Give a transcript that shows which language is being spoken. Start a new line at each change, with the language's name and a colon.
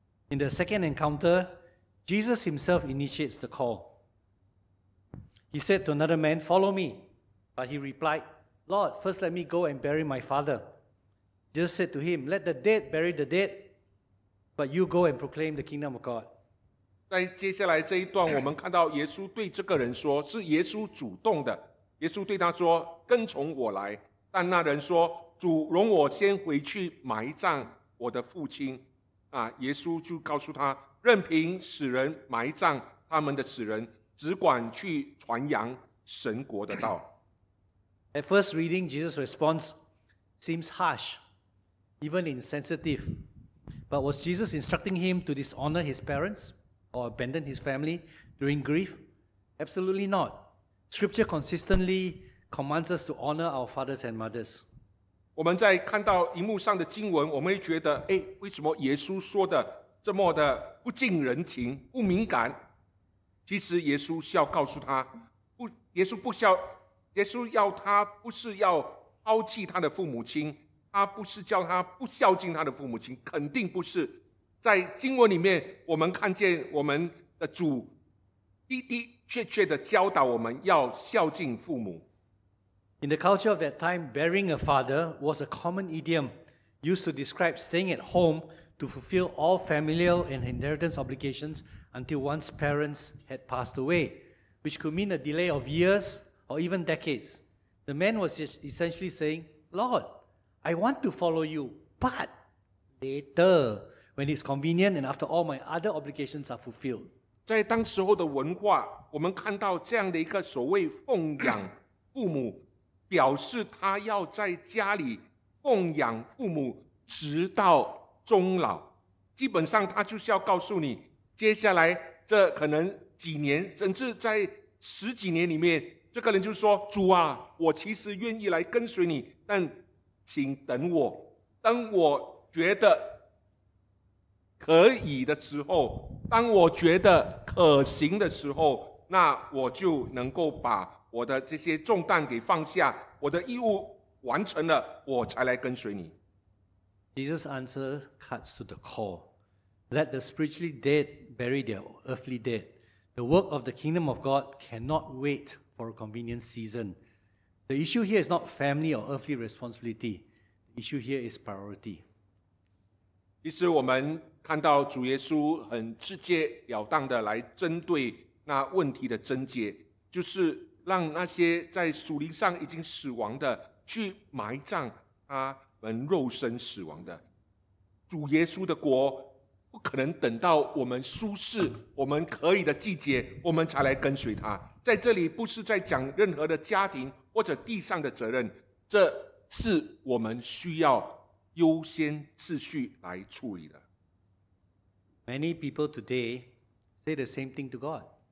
English: In the second encounter, Jesus himself initiates the call. He said to another man, follow me. But he replied, Lord, first let me go and bury my father. Jesus said to him, let the dead bury the dead, but you go and proclaim the kingdom of God.
Chinese: 在接下来这一段，我们看到耶稣对这个人说，是耶稣主动的。耶稣对他说，跟从我来。但那人说，主，容我先回去埋葬我的父亲。耶稣就告诉他，任凭死人埋葬他们的死人，只管去传扬神国的道。
English: At first reading, Jesus' response seems harsh, even insensitive. But was Jesus instructing him to dishonor his parents or abandon his family during grief? Absolutely not. Scripture consistently commands us to honor our fathers and mothers.
Chinese: 我们在看到荧幕上的经文，我们会觉得，哎，为什么耶稣说的这么的不近人情、不敏感？其实耶稣是要告诉他，耶稣要他不是要抛弃他的父母亲，他不是叫他不孝敬他的父母亲，肯定不是。在经文里面，我们看见我们的主的的确确的教导我们要孝敬父母。
English: In the culture of that time, burying a father was a common idiom used to describe staying at home to fulfill all familial and inheritance obligations until one's parents had passed away, which could mean a delay of years or even decades. The man was essentially saying, Lord, I want to follow you, but later, when it's convenient and after all my other obligations are fulfilled.
Chinese: 在当时候的文化，我们看到这样的一个所谓奉养父母表示他要在家里奉养父母直到终老，基本上他就是要告诉你，接下来这可能几年，甚至在十几年里面，这个人就说，主啊，我其实愿意来跟随你，但请等我，当我觉得可以的时候，当我觉得可行的时候，那我就能够把我的这些重担给放下，我的义务完成了，我才来跟随你。
English: Jesus' answer cuts to the core. Let the spiritually dead bury their earthly dead. The work of the kingdom of God cannot wait for a convenient season. The issue here is not family or earthly responsibility. The issue here is priority.
Chinese: 其实我们看到主耶稣很直接了当的来针对那问题的症结，就是让那些在属灵上已经死亡的去埋葬他们肉身死亡的。主耶稣的国不可能等到我们舒适我们可以的季节我们才来跟随他。在这里不是在讲任何的家庭或者地上的责任，这是我们需要优先次序来处理的。
English: Many people today say the same thing to God.